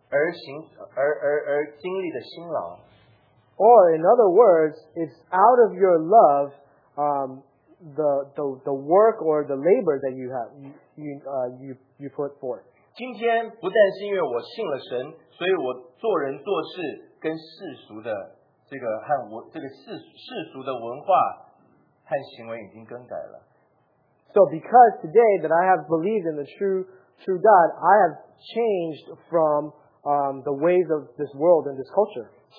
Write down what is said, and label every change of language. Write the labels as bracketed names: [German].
[Chinese] 或者是说，因为你们爱人而经历的辛劳。 [English] Or in other words, it's out of your love, the work or the labor that you have you put forth. [Chinese] 今天不但是因为我信了神，所以我做人做事跟世俗的这个和我这个世俗的文化和行为已经更改了。 [English] So because today that I have believed in the true God, I have changed from the ways of this world and this culture.